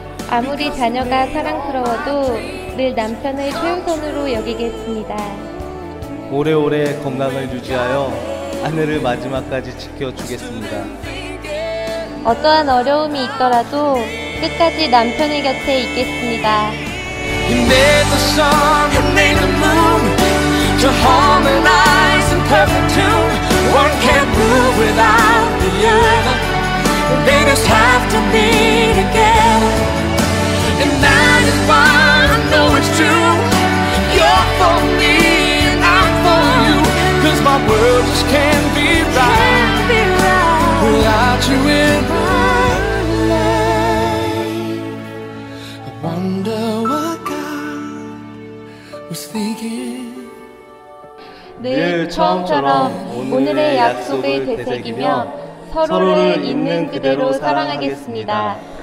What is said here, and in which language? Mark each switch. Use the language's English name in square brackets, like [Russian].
[Korean] 아무리 자녀가 사랑스러워도 늘 남편을 최우선으로 여기겠습니다. 오래오래 건강을 유지하여 아내를 마지막까지 지켜주겠습니다. 어떠한 어려움이 있더라도 끝까지 남편의 곁에 있겠습니다. [English] He made the sun and made the moon to harmonize in perfect tune. One can't move without the other. They just have to be together. And that is why I know it's true. You're for me and I'm for you. Cause my world just can't be right without you in my life. I wonder what God was thinking. [Korean] 늘 처음처럼 오늘의 약속을 되새기며 서로를 있는 그대로 사랑하겠습니다.